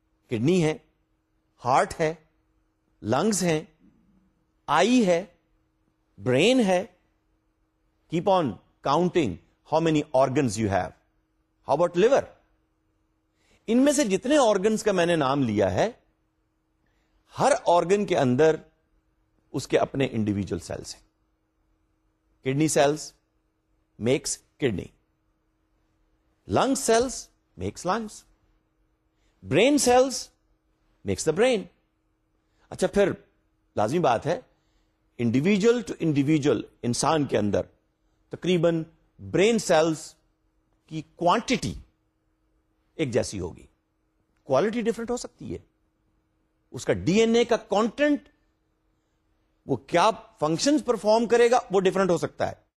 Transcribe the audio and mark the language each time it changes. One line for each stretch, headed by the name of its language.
Urdu: Kidney ہے, heart ہے, lungs ہیں, آئی ہے, برین ہے.
English: Keep on counting how many organs you have. How about liver?
Urdu: ان میں سے جتنے آرگنز کا میں نے نام لیا ہے, ہر آرگن کے اندر اس کے اپنے انڈیویجل سیلز ہیں.
English: Kidney cells makes kidney, lung cells makes lungs, brain cells makes the brain.
Urdu: اچھا پھر لازمی بات ہے انڈیویجل ٹو انڈیویجل انسان کے اندر تقریباً برین سیلز کی کوانٹیٹی ایک جیسی ہوگی, کوالٹی ڈفرینٹ ہو سکتی ہے. اس کا ڈی این اے کا کانٹینٹ، وہ کیا فنکشنز پرفارم کرے گا، وہ ڈفرنٹ ہو سکتا ہے.